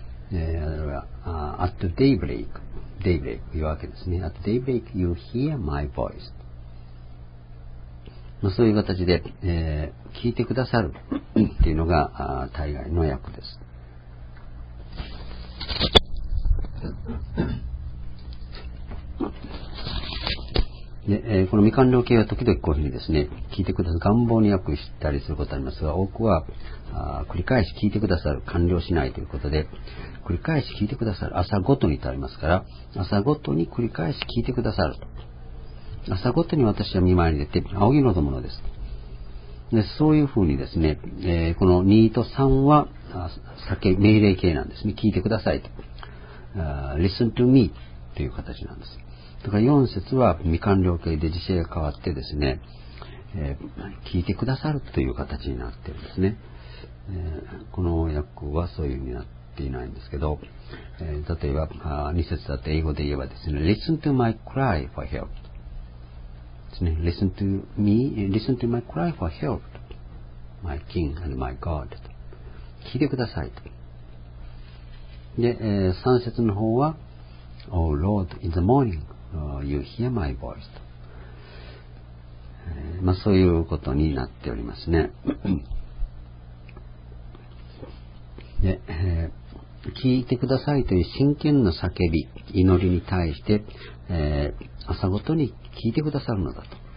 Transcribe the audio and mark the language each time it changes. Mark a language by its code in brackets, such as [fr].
[en] At daybreak, daybreak, [ja] 夜明けですね。 [en] At daybreak, you hear my voice. [ja] まあ、そういう形で、聞いてくださるっていうのが大概の訳です。で、この未完了形は時々こういうふうにですね、聞いてくださる、願望に訳したりすることがありますが、多くは繰り返し聞いてくださる、完了しないということで、繰り返し聞いてくださる、朝ごとにとありますから、朝ごとに繰り返し聞いてくださると。朝ごとに私は見舞いに出て、仰ぎ望むのです。で、そういうふうにですね、この2と3は、命令形なんですね。聞いてくださいと。 [en] Listen to me [ja] という形なんです。だから4節は未完了形で辞書が変わってですね、聞いてくださるという形になっているんですね。この訳はそういうふうになっていないんですけど、例えば2節だと英語で言えばですね、 [en] Listen to my cry for help [ja] ですね。 [en] Listen to me, listen to my cry for help, my king and my god. [ja] 聞いてくださいと。で、3節の方は、 [en] Oh Lord, in the morning,You hear my voice. [ja] まあ、そういうことになっておりますね。で、聞いてくださいという真剣な叫び、祈りに対して、朝ごとに聞いてくださるのだと。